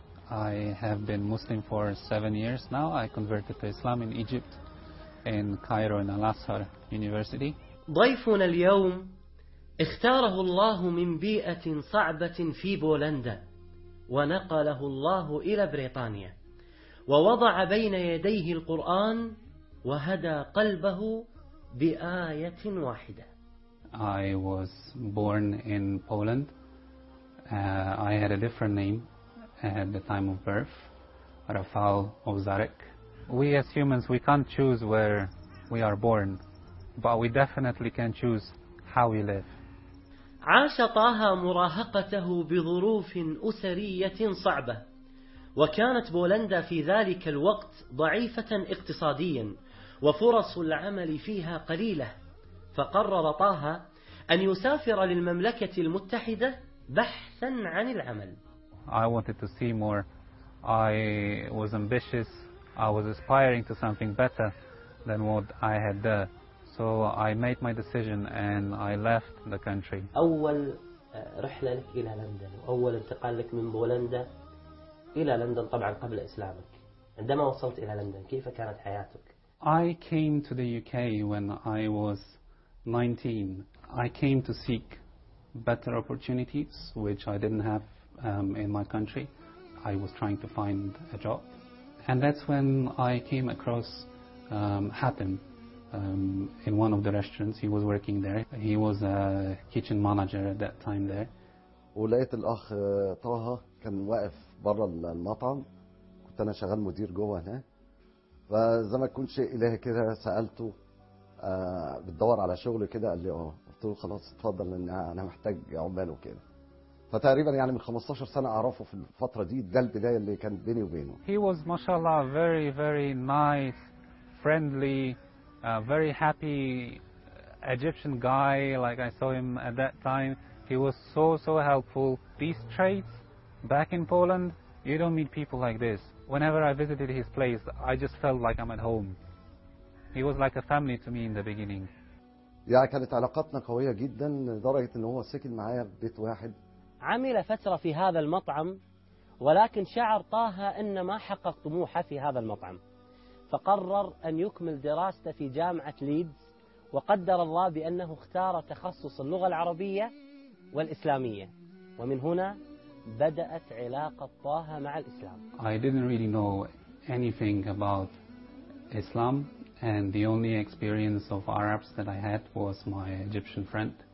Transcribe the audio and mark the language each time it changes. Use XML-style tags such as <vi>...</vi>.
<en>I have been Muslim for 7 years now. I converted to Islam in Egypt, in Cairo, in Al-Azhar University.</en> <ar>ضيفنا اليوم اختاره الله من بيئة صعبة في بولندا ونقله الله إلى بريطانيا ووضع بين يديه القرآن وهدى قلبه بآية واحدة.</ar> <en>I was born in Poland. I had a different name at the time of birth, Rafał Ozarek. We as humans, we can't choose where we are born, but we definitely can choose how we live.</en> <ar>عاش طه مراهقته بظروف أسرية صعبة، وكانت بولندا في ذلك الوقت ضعيفة اقتصاديا، وفرص العمل فيها قليلة، فقرر طه أن يسافر للمملكة المتحدة بحثا عن العمل.</ar> <en>I wanted to see more. I was ambitious. I was aspiring to something better than what I had there. So I made my decision and I left the country.</en> <ar>أول رحلة لك إلى لندن، أول انتقال لك من بولندا إلى لندن طبعا قبل إسلامك. عندما وصلت إلى لندن كيف كانت حياتك؟</ar> <en>I came to the UK when I was 19. I came to seek better opportunities which I didn't have in my country. I was trying to find a job, and that's when I came across Hatem in one of the restaurants. He was working there. He was a kitchen manager at that time there.</en> <ar>ولقيت الاخ طه كان واقف برا المطعم، كنت انا شغال مدير جوه هنا، فزي ما كنت شيء الهي كده سالته بتدور على شغل كده، قال لي قلت له خلاص اتفضل لان انا محتاج عمال وكده. فتقريبا يعني من 15 سنة أعرفه في الفترة دي، ده البداية اللي كانت بيني وبينه.</ar> <en>He was</en> <ar>ما شاء الله</ar> <en>very very nice, friendly, very happy Egyptian guy. Like I saw him at that time, he was so so helpful. These traits back in Poland, you don't meet people like this. Whenever I visited his place, I just felt like I'm at home. He was like a family to me in the beginning.</en> <ar>يعني كانت علاقتنا قوية جدا لدرجة إن هو سكن معايا بيت واحد. عمل فترة في هذا المطعم، ولكن شعر طه أن ما حقق طموحه في هذا المطعم، فقرر أن يكمل دراسته في جامعة ليدز، وقدر الله بأنه اختار تخصص اللغة العربية والإسلامية، ومن هنا بدأت علاقة طه مع الإسلام.</ar> <en>I didn't really know anything about Islam, and the only experience of Arabs that I had was my Egyptian friend.</en>